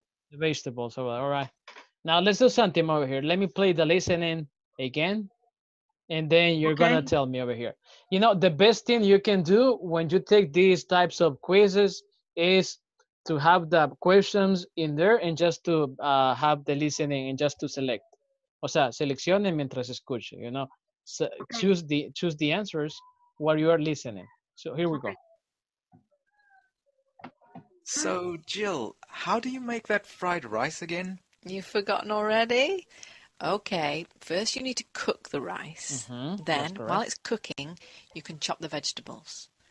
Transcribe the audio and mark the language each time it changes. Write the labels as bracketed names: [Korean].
[English] The vegetables, all right. Now let's do something over here. Let me play the listening again, and then you're okay. Gonna tell me over here. You know, the best thing you can do when you take these types of quizzes is to have the questions in there and just to have the listening and just to select. [Spanish] O sea, seleccione mientras escucha, [English] you know. So okay. choose the answers while you are listening. So here we go. So, Jill, how do you make that fried rice again? You've forgotten already? Okay, first you need to cook the rice. Mm-hmm. Then, while it's cooking, you can chop the vegetables.